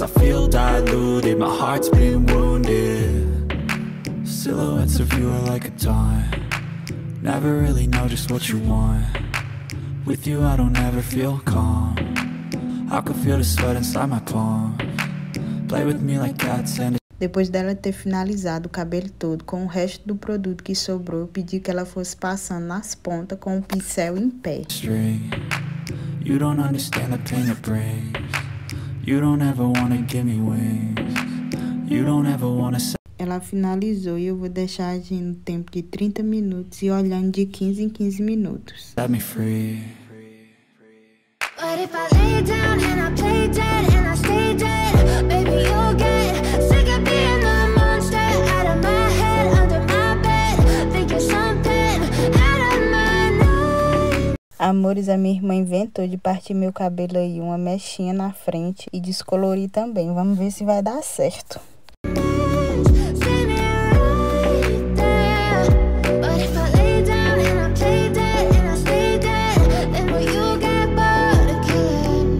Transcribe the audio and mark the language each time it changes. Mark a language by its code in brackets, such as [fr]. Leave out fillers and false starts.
[en] I feel diluted, my heart's been wounded. Silhouettes of you are like a taunt. Never really know just what you want. With you I don't ever feel calm. I could feel the sweat inside my palm. Play with me like cats and... [pt] Depois dela ter finalizado o cabelo todo com o resto do produto que sobrou, eu pedi que ela fosse passando nas pontas com o pincel em pé. [en] String. You don't understand the pain it brings. You don't ever wanna give me wings. You don't ever wanna... [pt] Ela finalizou e eu vou deixar agindo tempo de 30 minutos e olhando de 15 em 15 minutos. [en] Let me free. But if I lay down and I play dead and I stay dead, baby, you'll get sick of being the monster out of my head, under my bed. Think you're something out of my night. [pt] Amores, a minha irmã inventou de partir meu cabelo aí uma mechinha na frente e descolorir também. Vamos ver se vai dar certo. [en] But if I lay down and I play dead and I stay dead, then will you get bored of killing?